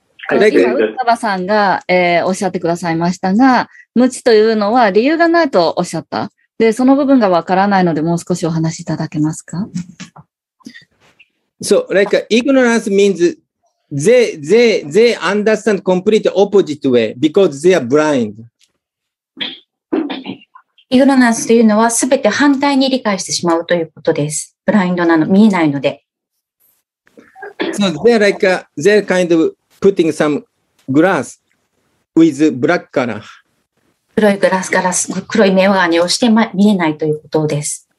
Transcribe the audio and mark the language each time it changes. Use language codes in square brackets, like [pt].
[ja] 今、ウッタバさんが、おっしゃってくださいましたが、無知というのは理由がないとおっしゃった。で、その部分がわからないので、もう少しお話しいただけますか。 [en] So, like, ignorance means they understand completely opposite way because they are blind. [ja] Ignorance というのは全て反対に理解してしまうということです。ブラインドなの、見えないので。 [en] So, they're like, they're kind of putting some glass with black color. [ja] 黒いグラス、ガラス、黒い眼鏡をして見えないということです。